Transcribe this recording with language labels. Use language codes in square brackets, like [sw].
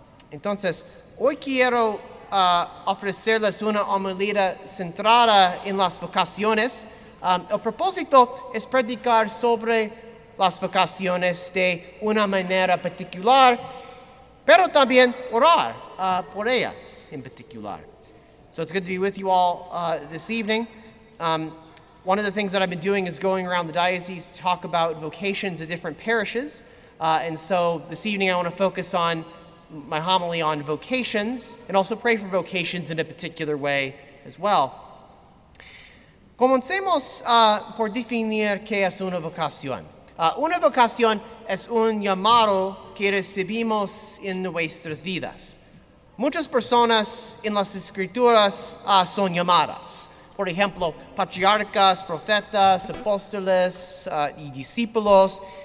[es] Entonces, hoy quiero ofrecerles una homilía centrada en las vocaciones. El propósito es predicar sobre las vocaciones de una manera particular, pero también orar por ellas en particular. [en] So it's good to be with you all this evening. One of the things that I've been doing is going around the diocese to talk about vocations of different parishes. And so this evening I want to focus on my homily on vocations and also pray for vocations in a particular way as well. [es] Comencemos por definir qué es una vocación. Una vocación es un llamado que recibimos en nuestras vidas. Muchas personas en las escrituras son llamadas. Por ejemplo, patriarcas, profetas, apóstoles y discípulos.